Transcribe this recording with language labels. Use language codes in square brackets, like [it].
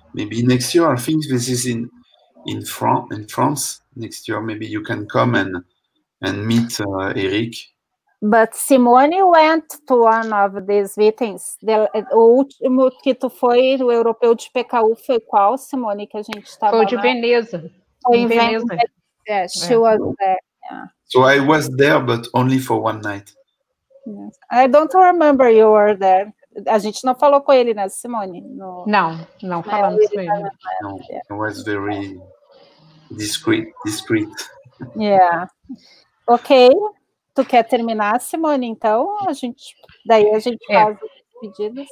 [en] Maybe next year. I think this is in France. Next year, maybe you can come and meet Eric. But Simone went to one of these meetings. [pt] O último que tu foi, o europeu de PKU, foi qual, Simone, que a gente estava lá? Foi de Veneza. Foi em Veneza. [en] Yeah, she was there. Yeah. So I was there, but only for one night. Yes. I don't remember you were there. [pt] A gente não falou com ele, né, Simone? Não falamos com ele. [en] No, it was very discreet. Yeah. Okay. [pt] Tu quer terminar, Simone? Então, a gente faz os pedidos.